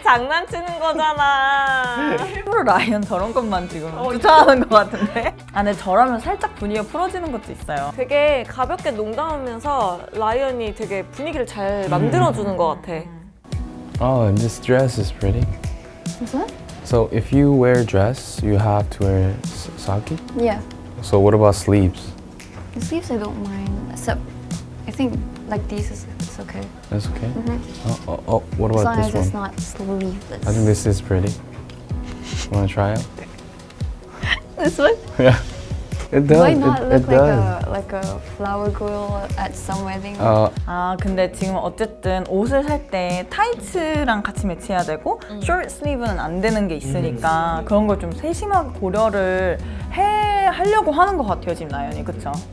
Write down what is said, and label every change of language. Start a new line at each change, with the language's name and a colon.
Korean: 장난치는 거잖아. 일부러 라이언 저런 것만 지금 주차하는 것 같은데? 아, 근데 저라면 살짝 분위기가 풀어지는 것도 있어요. 되게 가볍게 농담하면서 라이언이 되게 분위기를 잘 만들어주는 것 같아.
English: Oh, and this dress is pretty. What's that? So if you wear dress, you have to wear sake? Yeah. So what about sleeves? The sleeves I don't mind, except I think like these is okay. That's okay? Mm-hmm. Oh, what about this one? As long as it's not sleeveless. I think this is pretty. You want to try it? This one? Yeah. It does. Might not look like a flower girl at some wedding.
Korean: 아 근데 지금 어쨌든 옷을 살 때 타이츠랑 같이 매치해야 되고 숏 슬리브는 안 되는 게 있으니까 그런 걸 좀 세심하게 고려를 해 하려고 하는 것 같아요 지금 라이언이 그쵸?